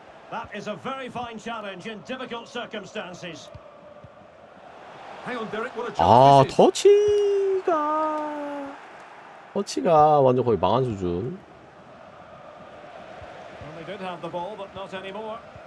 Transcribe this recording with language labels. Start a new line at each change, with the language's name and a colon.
English: That is a very fine challenge in difficult circumstances. Hang on, Derek. What a chance.
Korean: 아, 터치가 터치가 완전 거의 망한 수준.
English: Well, they did have the ball, but not anymore.